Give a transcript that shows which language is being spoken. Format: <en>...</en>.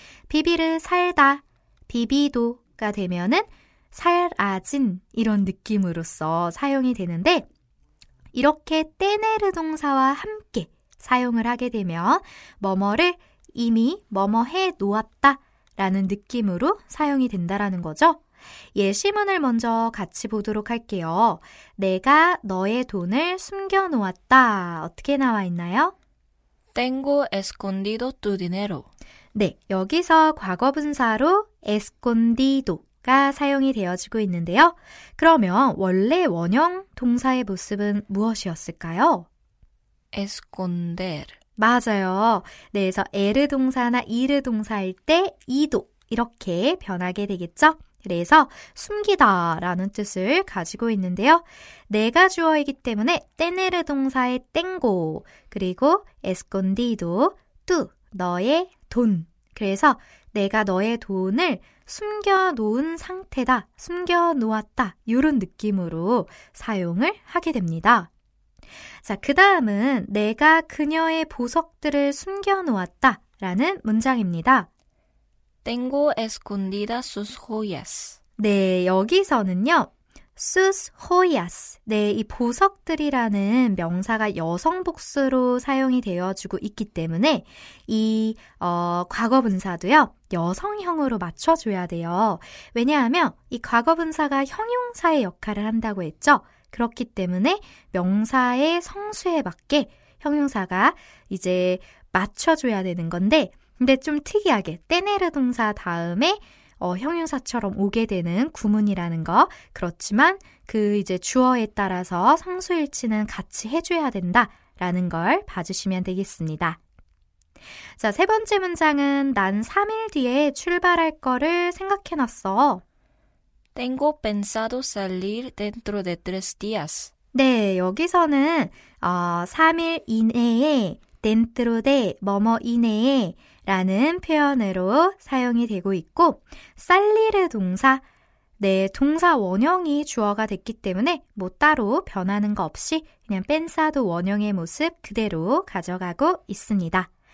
<ko>비비르 살다, 비비도가 되면은 살아진 이런 느낌으로써 사용이 되는데 이렇게 떼네르 동사와 함께 사용을 하게 되면 뭐뭐를 이미 뭐뭐해 놓았다 라는 느낌으로 사용이 된다라는 거죠. 예시문을 먼저 같이 보도록 할게요. 내가 너의 돈을 숨겨놓았다. 어떻게 나와 있나요?</ko> <es>Tengo escondido tu dinero.</es> <ko>네, 여기서 과거분사로 escondido가 사용이 되어지고 있는데요. 그러면 원래 원형 동사의 모습은 무엇이었을까요?</ko> <es>Esconder.</es> <ko>맞아요. 네, 그래서 에르 동사나 이르 동사일 때 이도 이렇게 변하게 되겠죠. 그래서 숨기다 라는 뜻을 가지고 있는데요. 내가 주어이기 때문에 떼네르 동사의 땡고 그리고 에스콘디도 뚜 너의 돈. 그래서 내가 너의 돈을 숨겨놓은 상태다. 숨겨놓았다. 이런 느낌으로 사용을 하게 됩니다. 자, 그 다음은 내가 그녀의 보석들을 숨겨놓았다 라는 문장입니다.</ko> <es>Tengo escondida sus joyas.</es> <ko>네, 여기서는요. sus joyas. 네, 이 보석들이라는 명사가 여성복수로 사용이 되어주고 있기 때문에 이 과거분사도요. 여성형으로 맞춰줘야 돼요. 왜냐하면 이 과거분사가 형용사의 역할을 한다고 했죠. 그렇기 때문에 명사의 성수에 맞게 형용사가 이제 맞춰줘야 되는 건데 근데 좀 특이하게 떼네르 동사 다음에 형용사처럼 오게 되는 구문이라는 거 그렇지만 그 이제 주어에 따라서 성수일치는 같이 해줘야 된다라는 걸 봐주시면 되겠습니다. 자, 세 번째 문장은 난 3일 뒤에 출발할 거를 생각해놨어.</ko> <es>Tengo pensado salir dentro de tres días.</es> <ko>네, 여기서는 3일 이내에 dentro de 뭐뭐 이내에 라는 표현으로 사용이 되고 있고 salir 동사, 네, 동사 원형이 주어가 됐기 때문에 뭐 따로 변하는 거 없이 그냥 pensado 원형의 모습 그대로 가져가고 있습니다.</ko>